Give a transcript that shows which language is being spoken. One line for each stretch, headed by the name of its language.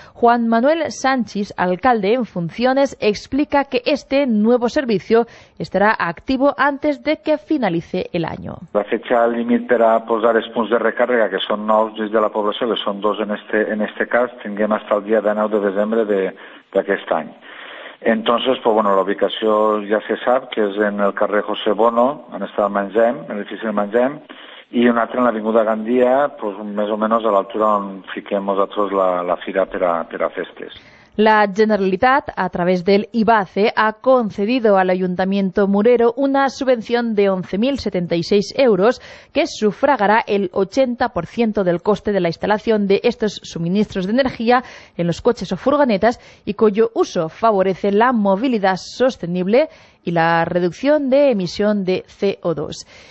Spanish: Juan Manuel Sánchez, alcalde en funciones, explica que este nuevo servicio estará activo antes de que finalice el año. La fecha límite para posar los puntos de recarga, que son 9 desde la población, que son 2 en este caso, tendrían hasta el día de 9 de diciembre
Catalan: d'aquest any.
Spanish: Entonces, pues bueno,
Catalan: la ubicació ja se sap, que és en el carrer José Bono, on està el Mengem, l'edifici del Mengem, i un altre en l'Avinguda Gandia, pues més o menys a l'altura on fiquem nosaltres la fira per a festes.
Spanish: La Generalitat, a través del IBACE, ha concedido al Ayuntamiento Murero una subvención de 11.076 euros que sufragará el 80% del coste de la instalación de estos suministros de energía en los coches o furgonetas y cuyo uso favorece la movilidad sostenible y la reducción de emisión de CO2.